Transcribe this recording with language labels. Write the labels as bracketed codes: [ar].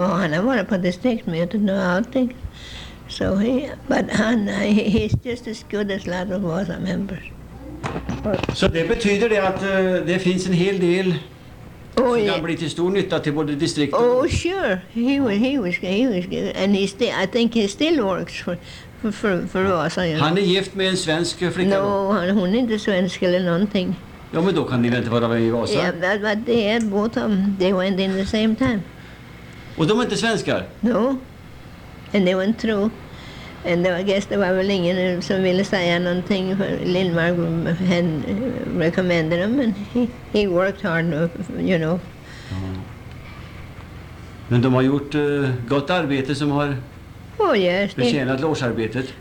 [sv] Han har varit på distriktmötet och allting. [en] So he, but he's just as good as a lot of other members. [sv] Så det betyder det att det finns en hel del som kan bli till stor nytta till både distrikt [en] och... Oh, sure. He was good. And he still, I think he still works for Vasa. You know. [sv] Han är gift med en svensk flicka. No, hon är inte svensk eller någonting. Ja, men då kan ni väl inte vara med i Vasa? [en] Yeah, but they had both of them. They went in the same time. [sv] Och de är inte svenskar? [en] No. And they went through. And I guess there was no one who wanted to say anything. Lindmark had recommended him, and he worked hard, you know. [sv] Men de har gjort gott arbete som har betjänat årsarbetet.